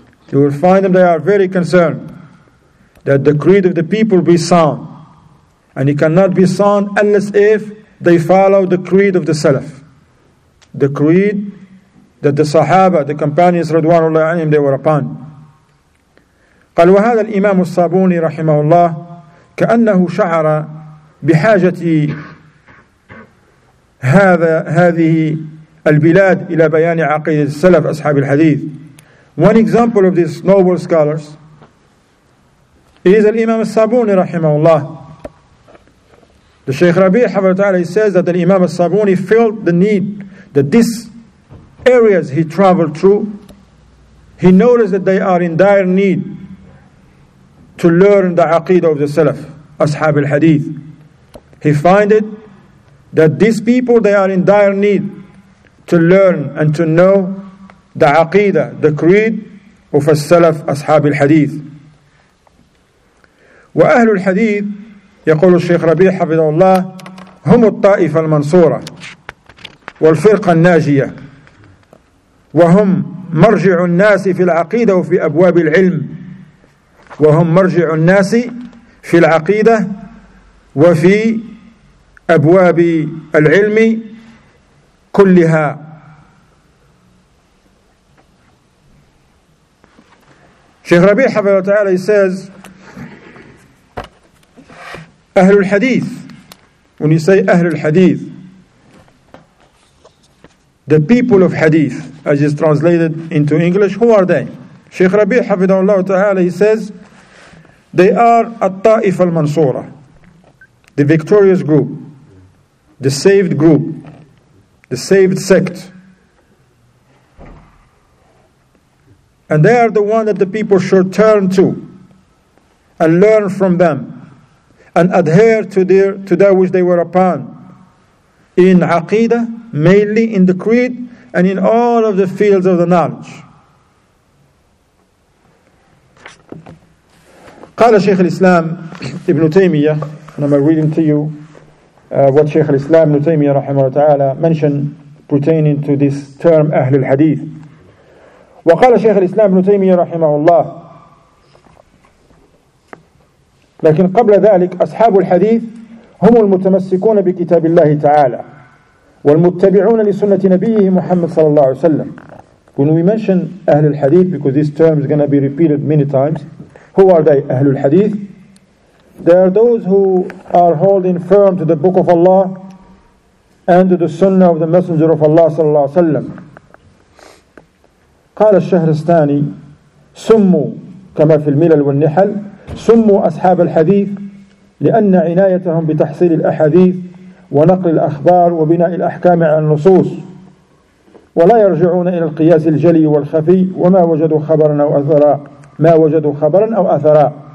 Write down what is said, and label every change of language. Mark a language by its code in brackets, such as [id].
[en] You will find them, they are very concerned that the creed of the people be sound. And it cannot be sound unless if they follow the creed of the Salaf. The creed that the Sahaba, the companions, ridwanullahi alayhim, they were upon. [ar] قال وهذا الإمام الصابوني رحمه الله كأنه شعر بحاجة هذه البلاد إلى بيان عقيدة السلف أصحاب الحديث. [en] One example of these noble scholars is الإمام الصابوني رحمه الله. The Sheikh Rabi' حفظه تعالى says that the Imam الصابوني felt the need that these areas he traveled through, he noticed that they are in dire need to learn the aqidah of the Salaf, Ashab al-Hadith. He find it that these people, they are in dire need to learn and to know the aqidah, the creed of the Salaf, Ashab al-Hadith. [ar] وَأَهْلُ الْحَدِيثِ يَقُولُ الشَّيْخ رَبِيعُ حَفِظَهُ اللَّهُ هُمُ الطَّائِفَ الْمَنْصُورَةِ وَالْفِرْقَ النَّاجِيَةِ وَهُمْ مَرْجِعُ النَّاسِ فِي الْعَقِيدَةِ وَفِي أَبْوَابِ الْعِلْمِ وهم مرجع الناس في العقيدة وفي أبواب العلم كلها. شيخ ربيع حفظه تعالى [en] says [ar] أهل الحديث. [en] When you say أهل الحديث, the people of hadith, as is translated into English, who are they? شيخ ربيع حفظه الله تعالى says they are At-Ta'if al-Mansura, the victorious group, the saved group, the saved sect. And they are the one that the people should turn to and learn from them and adhere to their to that which they were upon in Aqidah, mainly in the creed, and in all of the fields of the knowledge. قال شيخ الإسلام ابن تيمية, and I'm reading to you what شيخ الإسلام ابن تيمية رحمه الله تعالى mentioned pertaining to this term أهل الحديث. [ar] وقال شيخ الإسلام ابن تيمية رحمه الله, لكن قبل ذلك أصحاب الحديث هم المتمسكون بكتاب الله تعالى والمتبعون لسنة نبيه محمد صلى الله عليه وسلم. [en] When we mention أهل الحديث, because this term is going to be repeated many times, who are they, أهل الحديث? They are those who are holding firm to the Book of Allah and to the Sunnah of the Messenger of Allah صلى الله عليه وسلم. [ar] قال الشهرستاني سموا كما في الملل والنحل سموا أصحاب الحديث لأن عنايتهم بتحصيل الأحاديث ونقل الأخبار وبناء الأحكام على النصوص ولا يرجعون إلى القياس الجلي والخفي وما وجدوا خبرا أو أثرا ما وجدوا خبرا أو أثرا.